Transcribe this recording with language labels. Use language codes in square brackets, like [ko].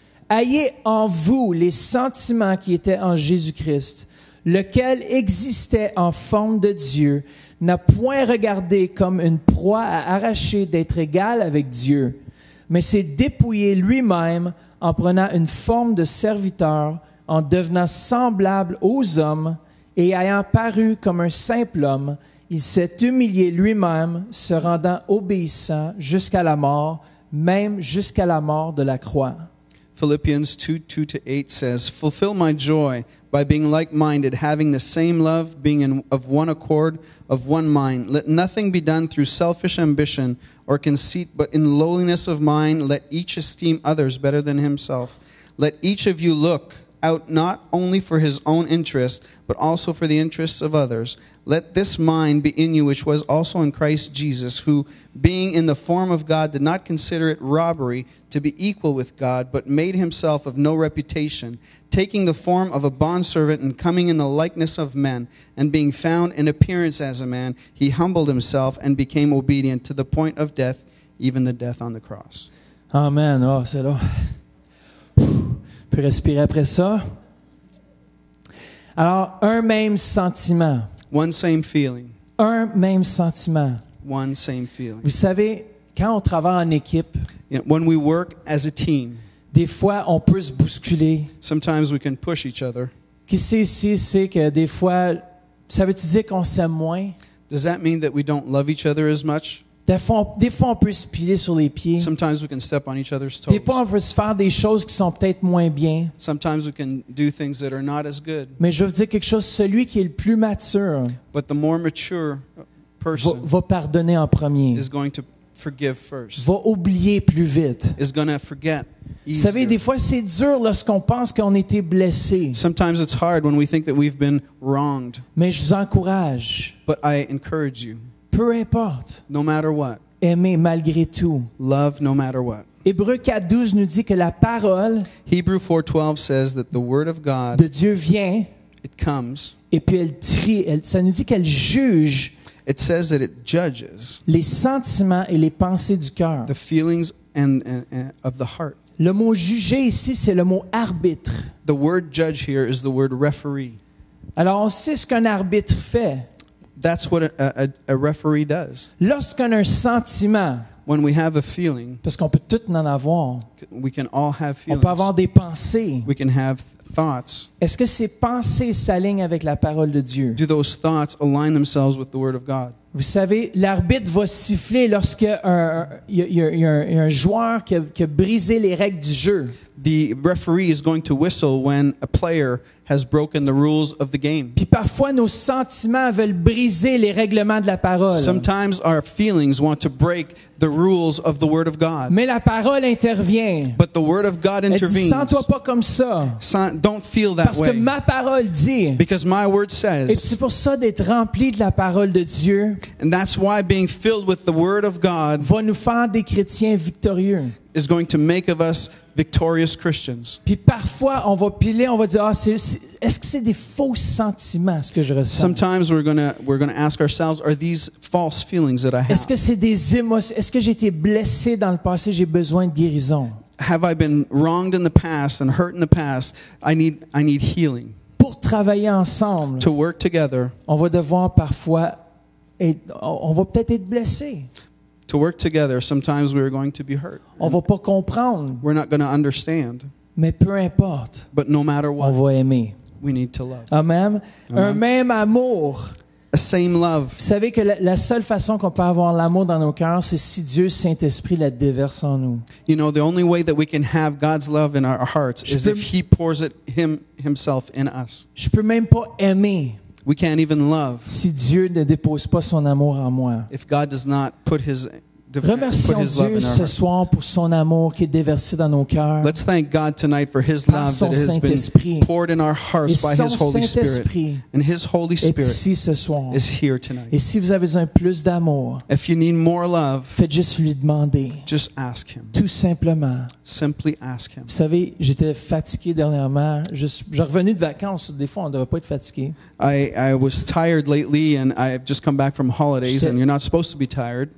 [fr] Ayez en vous les sentiments qui étaient en Jésus-Christ, lequel existait en forme de Dieu, n'a point regardé comme une proie à arracher d'être égal avec Dieu, mais s'est dépouillé lui-même en prenant une forme de serviteur, en devenant semblable aux hommes et ayant paru comme un simple homme, il s'est humilié lui-même, se rendant obéissant jusqu'à la mort, même jusqu'à la mort de la croix. [en] Philippians 2:2-8 says, Fulfill my joy by being like-minded, having the same love, being of one accord, of one mind. Let nothing be done through selfish ambition or conceit, but in lowliness of mind, let each esteem others better than himself. Let each of you look out not only for his own interest, but also for the interests of others. Let this mind be in you, which was also in Christ Jesus, who, being in the form of God, did not consider it robbery to be equal with God, but made himself of no reputation, taking the form of a bondservant and coming in the likeness of men, and being found in appearance as a man, he humbled himself and became obedient to the point of death, even the death on the cross. [fr] Amen. Oh, c'est là. Puis respirer après ça. Alors, un même sentiment. [en] One same feeling. [fr] Un même sentiment. [en] One same feeling. [fr] Vous savez, quand on travaille en équipe, [en] you know, when we work as a team, [fr] des fois, on peut se bousculer. [en] Sometimes we can push each other. [fr] Qui sait ici sait que des fois, ça veut-tu dire qu'on s'aime moins? [en] Does that mean that we don't love each other as much? [fr] Des fois, on peut se piler sur les pieds. [en] Sometimes we can step on each other's toes. [fr] Des fois, on peut se faire des choses qui sont peut-être moins bien. [en] Sometimes we can do things that are not as good. [fr] Mais je veux vous dire quelque chose. Celui qui est le plus mature, [en] but the more mature person [fr] va pardonner en premier. [en] Is going to forgive first. [fr] Va oublier plus vite. [en] Is going to forget easier. [fr] Vous savez, des fois, c'est dur lorsqu'on pense qu'on a été blessé. [en] Sometimes it's hard when we think that we've been wronged. [fr] Mais je vous encourage. [en] But I encourage you. [fr] Peu importe. [en] No matter what. [fr] Aimer malgré tout. [en] Love no matter what. [fr] Hébreux 4:12 nous dit que la parole. [en] Hebrew 4:12 says that the word of God. [fr] De Dieu vient. [en] It comes. [fr] Et puis elle trie. Ça nous dit qu'elle juge. [en] It says that it judges. [fr] Les sentiments et les pensées du cœur. [en] The feelings and of the heart. [fr] Le mot juger ici c'est le mot arbitre. [en] The word judge here is the word referee. [fr] Alors on sait ce qu'un arbitre fait. [en] That's what a referee does. [fr] Lorsqu'on a un sentiment, [en] when we have a feeling, [fr] parce qu'on peut tout en avoir, [en] we can all have feelings. [fr] On peut avoir des pensées. [en] We can have thoughts. [fr] Est-ce que ces pensées s'alignent avec la parole de Dieu? [en] Do those thoughts align themselves with the word of God? [fr] Vous savez, l'arbitre va siffler lorsque il y a un joueur qui a brisé les règles du jeu. [en] The referee is going to whistle when a player has broken the rules of the game. [fr] Puis parfois nos sentiments veulent briser les règlements de la parole. [en] Sometimes our feelings want to break the rules of the word of God. [fr] Mais la parole intervient. [en] But the word of God intervenes. [fr] Sens-toi pas comme ça. [en] Don't feel that way. [fr] Parce que ma parole dit. [en] Because my word says. [fr] Et c'est pour ça d'être rempli de la parole de Dieu. [en] And that's why being filled with the word of God [fr] va nous faire des chrétiens victorieux. [en] Is going to make of us victorious Christians. [fr] Puis parfois on va piler, on va dire est-ce que c'est des faux sentiments ce que je ressens? [en] Sometimes we're gonna ask ourselves, are these false feelings that I have? [fr] Est-ce que c'est des émotions? Est-ce que j'ai été blessé dans le passé? J'ai besoin de guérison. [en] Have I been wronged in the past and hurt in the past? I need healing. [fr] Pour travailler ensemble. [en] To work together. [fr] On va devoir parfois être, on va peut-être être blessé. [en] to work together, sometimes we are going to be hurt. [fr] On va pas comprendre. [en] We're not going to understand. [fr] Mais peu importe. [en] But no matter what, [fr] on va aimer. [en] We need to love. [fr] Amen. Amen. Un même amour. [en] A same love. [fr] Vous savez que la seule façon qu'on peut avoir l'amour dans nos cœurs, c'est si Dieu Saint-Esprit la déverse en nous. [en] You know, the only way that we can have God's love in our hearts is if He pours it Himself in us. [fr] Je peux même pas aimer. [en] We can't even love. [fr] Si Dieu ne dépose pas son amour en moi. [en] If God does not put His [fr] Remercions [en] put his [fr] Dieu [en] love in our [fr] ce [en] heart. [fr] Soir pour son amour qui est déversé dans nos cœurs. [en] Let's thank God tonight for His love that has been poured in our hearts [fr] et [en] by His Holy Spirit. And His Holy Spirit [fr] est ici ce soir. [en] Is here tonight. [fr] Et si vous avez un plus d'amour, [en] if you need more love, [fr] faites juste lui demander. [en] Just ask Him. [fr] Tout simplement. [en] Simply ask Him. [fr] Vous savez, j'étais fatigué dernièrement. Je suis revenu de vacances. Des fois, on ne devrait pas être fatigué. [en] I was tired lately, and I've just come back from holidays, and you're not supposed to be tired.